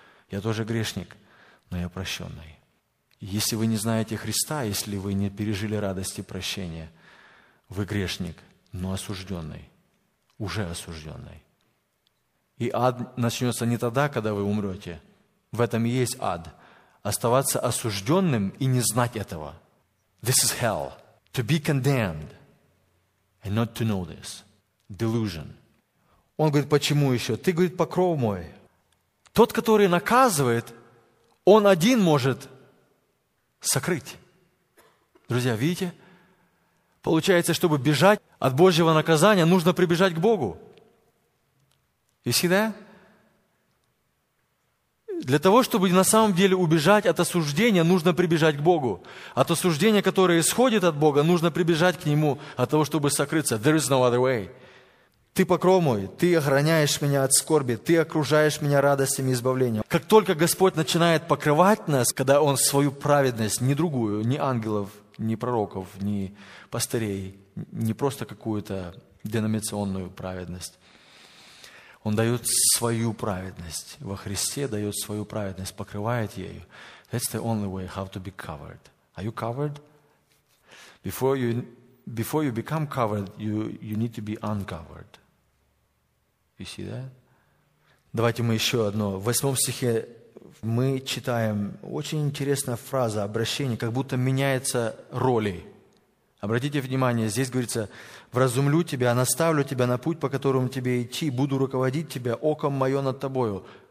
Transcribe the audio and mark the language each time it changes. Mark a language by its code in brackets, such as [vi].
[ru] Я тоже грешник, но я прощенный. Если вы не знаете Христа, если вы не пережили радости прощения, вы грешник, но осужденный, уже осужденный. И ад начнется не тогда, когда вы умрете. В этом и есть ад. Оставаться осужденным и не знать этого. [en] This is hell. To be condemned and not to know this. [ru] Delusion. Он говорит, почему еще? Ты, говорит, покров мой. Тот, который наказывает, он один может сокрыть. Друзья, видите? Получается, чтобы бежать от Божьего наказания, нужно прибежать к Богу. [en] You see that? [ru] Для того, чтобы на самом деле убежать от осуждения, нужно прибежать к Богу. От осуждения, которое исходит от Бога, нужно прибежать к Нему, от того, чтобы сокрыться. [en] There is no other way. [ru] Ты покров мой, ты охраняешь меня от скорби, ты окружаешь меня радостями избавления. Как только Господь начинает покрывать нас, когда Он свою праведность, ни другую, ни ангелов, ни пророков, ни пастырей, не просто какую-то деноминационную праведность, Он дает свою праведность во Христе, дает свою праведность, покрывает ею. [en] That's the only way how to be covered. Are you covered? Before you become covered, you need to be uncovered. You see that? [ru] Давайте мы еще одно. В 8 стихе мы читаем очень интересная фраза, обращение, как будто меняется роли. Обратите внимание, здесь говорится, «Вразумлю тебя, наставлю тебя на путь, по которому тебе идти, буду руководить тебя, оком мое над тобою».